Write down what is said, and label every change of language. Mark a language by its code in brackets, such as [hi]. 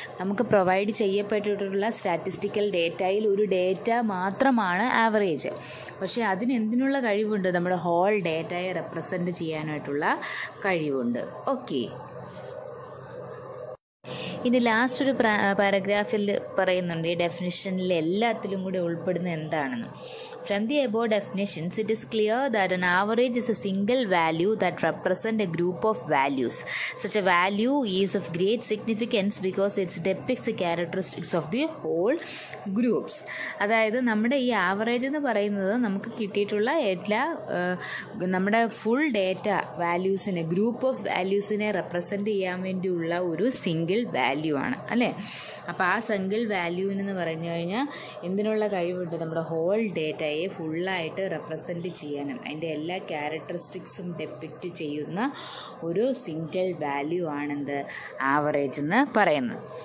[ml] നമുക്ക് provide ചെയ്യപ്പെട്ടിട്ടുള്ള statistical ഡേറ്റയിൽ ഒരു data മാത്രമാണ് ആവറേജ്. പക്ഷേ അതിന് എന്തിനുള്ള കഴിവുണ്ട്, നമ്മുടെ ഹോൾ ഡേറ്റയെ റെപ്രസെൻറ്റ് ചെയ്യാനായിട്ടുള്ള കഴിവുണ്ട്. ഓക്കെ, ഇനി ലാസ്റ്റ് ഒരു പാരഗ്രാഫിൽ പറയുന്നുണ്ട് ഈ ഡെഫിനിഷനിൽ എല്ലാത്തിലും കൂടി ഉൾപ്പെടുന്ന എന്താണെന്ന്. [en] From the above definitions, it is clear that an average is a single value that represents a group of values. Such a value is of great significance because it depicts the characteristics of the whole groups. [ml] അതായത് നമ്മുടെ ഈ average എന്ന് പറയുന്നത് നമുക്ക് കിട്ടിയിട്ടുള്ള എല്ലാ നമ്മുടെ full data വാല്യൂസിനെ, group of വാല്യൂസിനെ represent ചെയ്യാൻ വേണ്ടിയുള്ള ഒരു സിംഗിൾ വാല്യൂ ആണ് അല്ലേ. അപ്പോൾ ആ സിംഗിൾ വാല്യൂവിനെന്ന് പറഞ്ഞു കഴിഞ്ഞാൽ എന്തിനുള്ള കഴിവുണ്ട്, നമ്മുടെ ഹോൾ ഡേറ്റയെ ഫുള്ളായിട്ട് റെപ്രസെൻറ്റ് ചെയ്യാനും അതിൻ്റെ എല്ലാ ക്യാരക്ടറിസ്റ്റിക്സും ഡെപ്പിക്റ്റ് ചെയ്യുന്ന ഒരു സിംഗിൾ വാല്യൂ ആണെന്ത് ആവറേജ് എന്ന് പറയുന്നത്.